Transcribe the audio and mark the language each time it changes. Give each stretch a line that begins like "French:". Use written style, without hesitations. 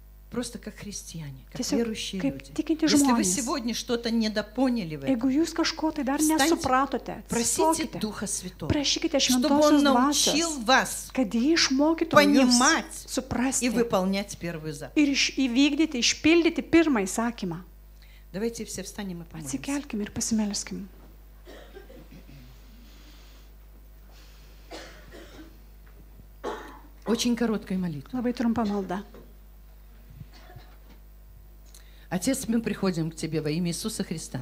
Russian: Просто как христиане, как
Lithuanian: tiesiog,
Russian: верующие
Lithuanian: kaip
Russian: люди.
Lithuanian: Tikinti
Russian: Если
Lithuanian: žmonės.
Russian: Вы сегодня что-то недопоняли в этом,
Lithuanian: jeigu jūs kažko tai dar nesupratote,
Russian: просите Духа Святого,
Lithuanian: prašykite Šventosios Dvasios,
Russian: вас,
Lithuanian: kad jį išmokytų
Russian: понимать
Lithuanian: jūs suprasti
Russian: и выполнять первый закон.
Lithuanian: Ir įvykdyti, išpildyti pirmąjį įsakymą.
Russian: Давайте все встанем и помолимся.
Lithuanian: Atsikelkim ir pasimelskim.
Russian: Очень короткая молитва.
Lithuanian: Labai trumpa malda.
Russian: Отец, мы приходим к Тебе во имя Иисуса Христа.